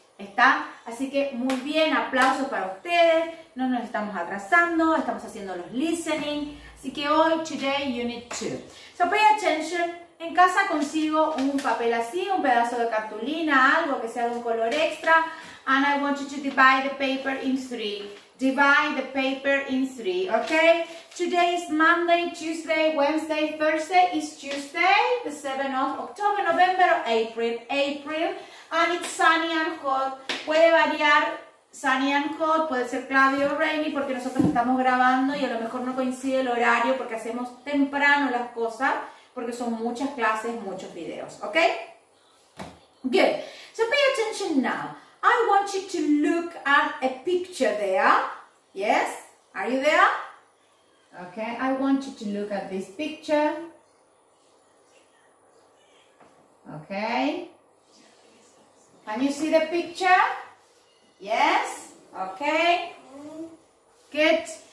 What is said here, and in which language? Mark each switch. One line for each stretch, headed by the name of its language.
Spanish: ¿Está? Así que muy bien, aplausos para ustedes. No nos estamos atrasando, estamos haciendo los listening. Así que hoy,
English: today, unit 2. So pay attention.
Spanish: En casa consigo un papel así, un pedazo de cartulina, algo que sea de un color extra.
English: And I want you to divide the paper in three. Divide the paper in three, okay? Today is Monday, Tuesday, Wednesday, Thursday is Tuesday, the 7th of October, November, or April. April. And it's sunny and hot.
Spanish: Puede variar
English: sunny and hot,
Spanish: puede ser
English: cloudy or rainy,
Spanish: porque nosotros estamos grabando y a lo mejor no coincide el horario porque hacemos temprano las cosas, porque son muchas clases, muchos videos, okay?
English: Good. So pay attention now. I want you to look at a picture there. Yes? Are you there? Okay, I want you to look at this picture. Okay. Can you see the picture? Yes? Okay. Good.